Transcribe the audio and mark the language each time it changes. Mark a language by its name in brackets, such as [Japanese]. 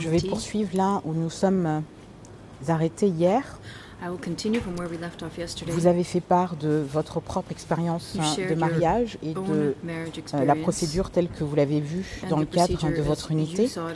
[French] Je vais poursuivre là où nous sommes arrêtés hier. [English] I will continue from where we left off yesterday. [French] Vous avez fait part de votre propre expérience de mariage et de la procédure telle que vous l'avez vue dans le cadre de votre unité.